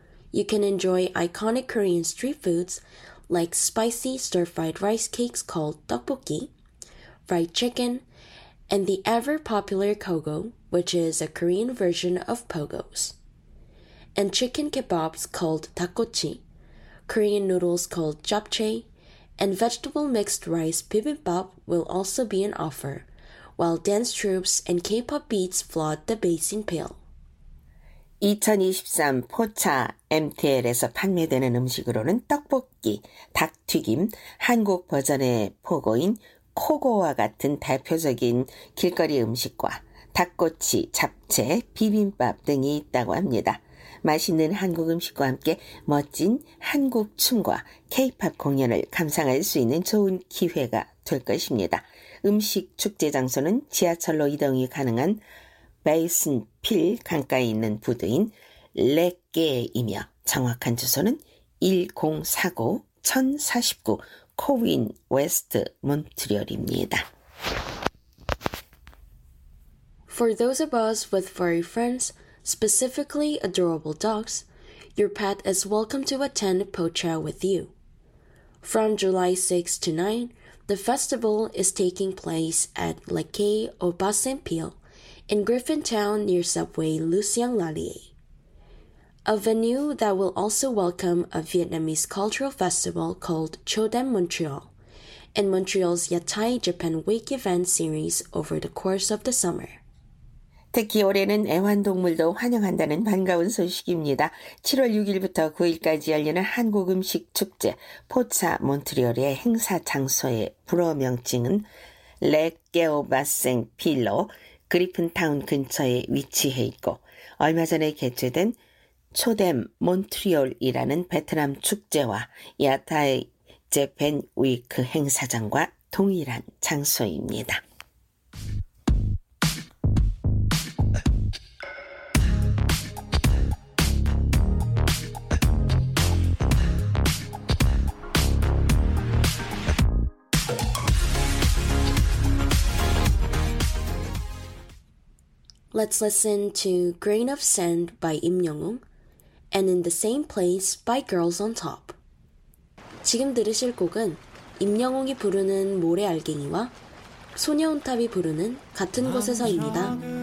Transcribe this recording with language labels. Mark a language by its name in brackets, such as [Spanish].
[English] You can enjoy iconic Korean street foods like spicy stir-fried rice cakes called tteokbokki, fried chicken, and the ever-popular kogo, which is a Korean version of pogos, and chicken kebabs called dakgochi, Korean noodles called japchae, and vegetable mixed rice bibimbap will also be an offer, while dance troupes and K-pop beats flood the Basin Peel. [Korean] 2023 포차 MTL에서 판매되는 음식으로는 떡볶이, 닭튀김, 한국 버전의 포고인 코고와 같은 대표적인 길거리 음식과 닭꼬치, 잡채, 비빔밥 등이 있다고 합니다. 맛있는 한국 음식과 함께 멋진 한국 춤과 K-pop 공연을 감상할 수 있는 좋은 기회가 될 것입니다. 음식 축제 장소는 지하철로 이동이 가능한 베이슨 필 강가에 있는 부두인 레게이며 정확한 주소는 1049 1049 코윈 웨스트 몬트리올입니다. [English] For those of us with furry friends, specifically adorable dogs, your pet is welcome to attend Pocha with you. From July 6 to 9, the festival is taking place at Lake Obasen Peel in Griffintown near Subway Luxiang Lalier, a venue that will also welcome a Vietnamese cultural festival called Chodem Montreal and Montreal's Yatai Japan Week event series over the course of the summer. [Korean] 특히 올해는 애완동물도 환영한다는 반가운 소식입니다. 7월 6일부터 9일까지 열리는 한국 음식 축제 포차 몬트리올의 행사 장소의 불어 명칭은 레게오바생 필로 그리픈타운 근처에 위치해 있고 얼마 전에 개최된 초뎀 몬트리올이라는 베트남 축제와 야타이 재팬 위크 행사장과 동일한 장소입니다. [English] Let's listen to Grain of Sand by Im Young-ung and In the Same Place by Girls on Top. [Korean] 지금 들으실 곡은 임영웅이 부르는 모래알갱이와 소녀온탑이 부르는 같은 곳에서입니다.